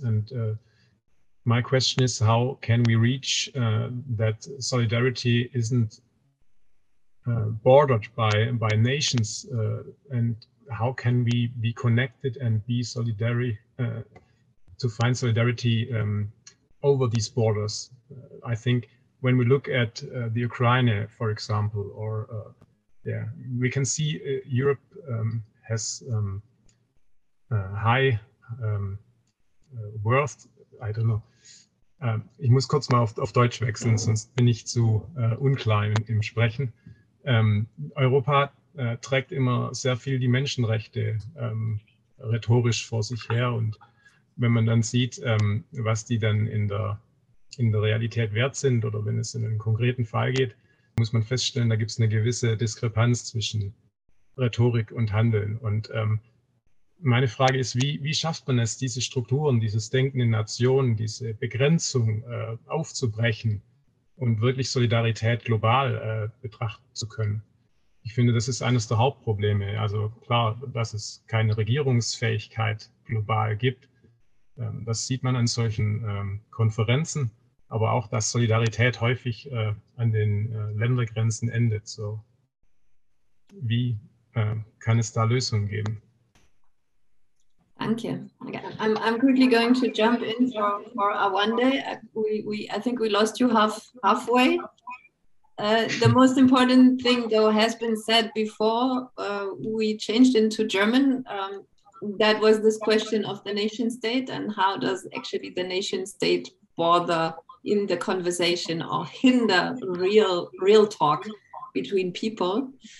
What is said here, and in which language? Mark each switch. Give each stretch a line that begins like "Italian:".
English: And my question is, how can we reach that solidarity isn't bordered by nations, and how can we be connected and be solidary to find solidarity over these borders? I think when we look at the Ukraine, for example, or we can see Europe has high worth. I don't know.
German: Ich muss kurz mal auf Deutsch wechseln, sonst bin ich zu unklar im Sprechen. Europa trägt immer sehr viel die Menschenrechte rhetorisch vor sich her. Und wenn man dann sieht, was die dann in der Realität wert sind oder wenn es in einen konkreten Fall geht, muss man feststellen, da gibt es eine gewisse Diskrepanz zwischen Rhetorik und Handeln. Und meine Frage ist, wie schafft man es, diese Strukturen, dieses Denken in Nationen, diese Begrenzung aufzubrechen und wirklich Solidarität global betrachten zu können? Ich finde, das ist eines der Hauptprobleme. Also klar, dass es keine Regierungsfähigkeit global gibt, das sieht man an solchen Konferenzen, aber auch, dass Solidarität häufig an den Ländergrenzen endet. So, wie kann es da Lösungen geben?
English: Thank you. I'm quickly going to jump in for Awande. I think we lost you halfway. The most important thing, though, has been said before we changed into German. That was this question of the nation state and how does actually the nation state bother in the conversation or hinder real talk between people.